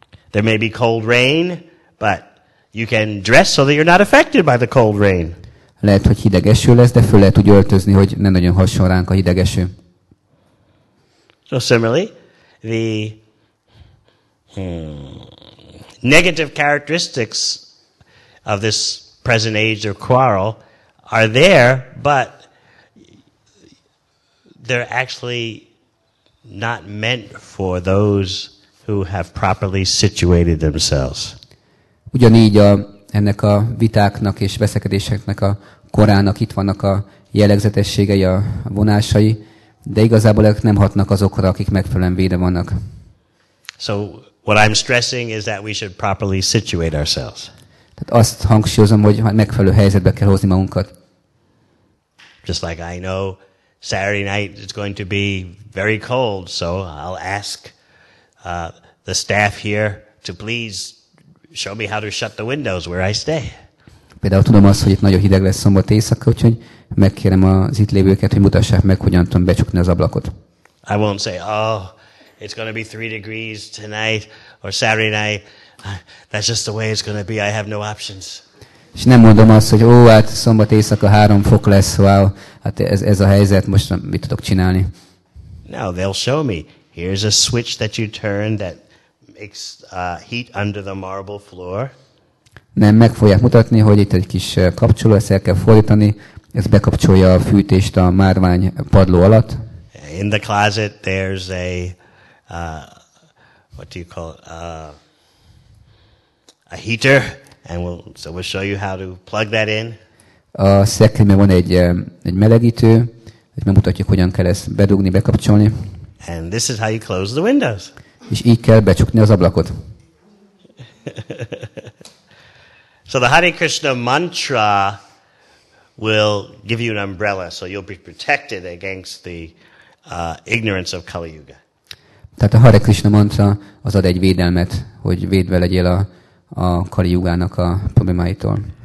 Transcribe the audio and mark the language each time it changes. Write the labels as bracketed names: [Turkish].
[English] There may be cold rain, but you can dress so that you're not affected by the cold rain. [Hungarian] Lehet, hogy hideg eső lesz, de föl lehet úgy öltözni, hogy ne nagyon hasson ránk a hideg eső. [English] So similarly, the negative characteristics of this present age or quarrel are there, but they're actually not meant for those who have properly situated themselves. [Hungarian] Ugyanígy ennek a vitáknak és veszekedéseknek a korának itt vannak a jellegzetességei, a vonásai, de igazából ők nem hatnak azokra, akik megfelelően véde vannak. [English] So what I'm stressing is that we should properly situate ourselves. [Hungarian] Tehát azt hangsúlyozom, hogy megfelelő helyzetbe kell hozni magunkat. [English] Just like I know Saturday night is going to be very cold, so I'll ask the staff here to please show me how to shut the windows where I stay. [Hungarian] Például tudom azt, hogy itt nagyon hideg lesz szombat éjszaka, úgyhogy megkérem az itt lévőket, hogy mutassák meg, hogyan tudom becsukni az ablakot. [English] I won't say, oh, it's going to be 3 degrees tonight or Saturday night. That's just the way it's going to be. I have no options. [Hungarian] És nem mondom azt, hogy ó, hát szombat éjszaka 3 fok lesz, wow, hát ez a helyzet, most mit tudok csinálni? [English] No, they'll show me. Here's a switch that you turn that makes heat under the marble floor. [Hungarian] Nem, meg fogják mutatni, hogy itt egy kis kapcsoló, ezt el kell fordítani, ez bekapcsolja a fűtést a márvány padló alatt. [English] In the closet there's a, what do you call it, a heater, and we'll show you how to plug that in. [Hungarian] A szekrényben van egy melegítő, és megmutatjuk, hogyan kell ezt bedugni, bekapcsolni. [English] And this is how you close the windows. [Hungarian] És így kell becsukni az ablakot. [English] So the Hare Krishna mantra will give you an umbrella, so you'll be protected against the ignorance of Kali Yuga. [Hungarian] Tehát a Hare Krishna mantra az ad egy védelmet, hogy védve legyél a Kali Yugának a problémáitól.